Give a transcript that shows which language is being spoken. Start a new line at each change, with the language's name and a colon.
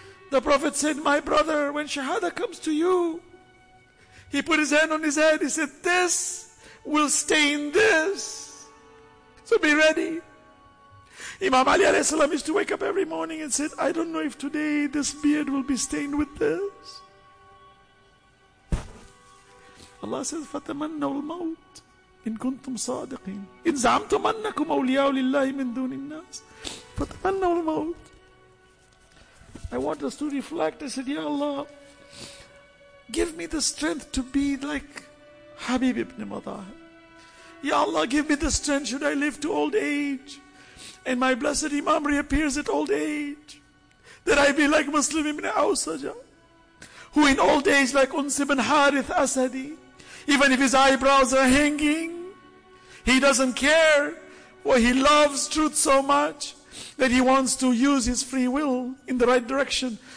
English: The Prophet said, my brother, when Shahada comes to you, he put his hand on his head. He said, this will stain this. So be ready. Imam Ali alayhi salam used to wake up every morning and said, I don't know if today this beard will be stained with this.
Arabic: Allah says, فَتَمَنَّوا الْمَوْتِ إِن كُنْتُمْ صَادِقِينَ إِن زَعَمْتُمْ أَنَّكُمْ أَوْلِيَاءُ لِلَّهِ مِنْ دُونِ النَّاسِ فَتَمَنَّوا الْمَوْتِ.
English: I want us to reflect. I said, Ya Allah, give me the strength to be like Habib ibn Madahir. Ya Allah, give me the strength. Should I live to old age and my blessed Imam reappears at old age, that I be like Muslim ibn Awsajah, who in old age, like Uns ibn Harith Asadi, even if his eyebrows are hanging, he doesn't care, for he loves truth so much that he wants to use his free will in the right direction.